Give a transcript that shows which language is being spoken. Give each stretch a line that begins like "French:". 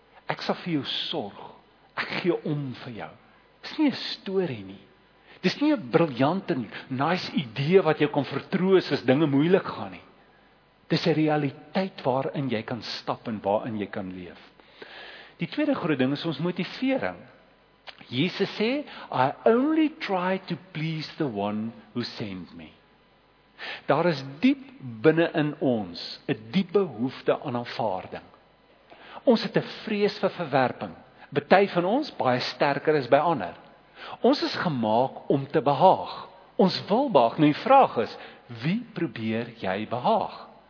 Afrikaans: Ek sal vir jou sorg. Ek gee om vir jou. Dis nie 'n storie nie. Dis nie 'n briljante nice idee wat jou kan vertroos as dinge moeilik gaan nie. Dis 'n realiteit waarin jy kan stap en waarin jy kan leef. Die tweede groot ding is ons motivering. Jesus sê,
English: I only try to please the one who sent me.
Afrikaans: Daar is diep binne in ons 'n diep behoefte aan aanvaarding. Ons het 'n vrees vir verwerping. Party van ons baie sterker as by ander. Ons is gemaak om te behaag. Ons wil behaag. Nou die vraag is, wie probeer jy behaag?